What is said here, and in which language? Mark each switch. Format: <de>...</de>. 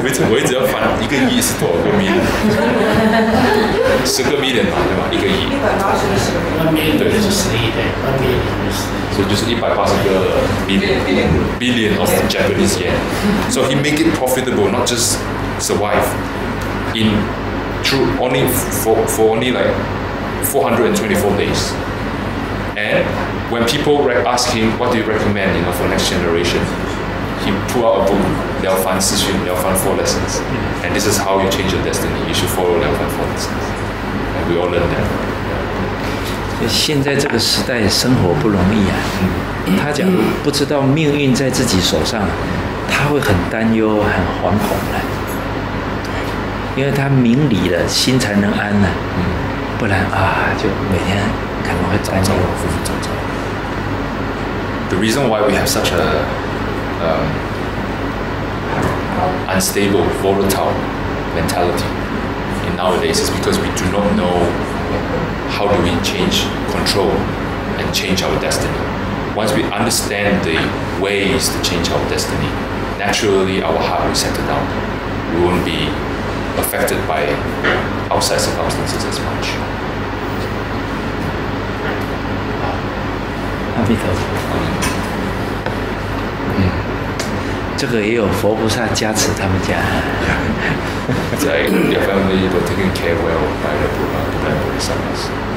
<zh>我一直要翻一个亿是多少个 million， 十个 million 嘛，对吧？一个亿。</zh> <en>180 million，</en> <zh>对，是十亿的 million，所以就是180个 billion of Japanese yen。</zh> <en>So he make it profitable, not just survive. In true only for only like 424 days. And when people ask him, what do you recommend, you know, for next generation? He pulled out a book, Liao Fan Si Xun, Liao Fan Four Lessons. And this is how you change your destiny. You should follow Liao Fan Four Lessons. And we all learn that.</en> <zh>现在这个时代生活不容易啊。他讲不知道命运在自己手上，他会很担忧，很惶恐的。因为他明理了，心才能安呢。不然啊，就每天可能会担忧。早早复复早早。</zh> <en>The reason why we have such a unstable, volatile mentality in nowadays is because we do not know how do we change control and change our destiny. Once we understand the ways to change our destiny, naturally our heart will settle down. We won't be affected by outside circumstances as much. Happy to.</en> <zh>这个也有佛菩萨加持他们家。</zh> <en>Like your family were taken care well by the Buddha and Bodhisattvas.</en>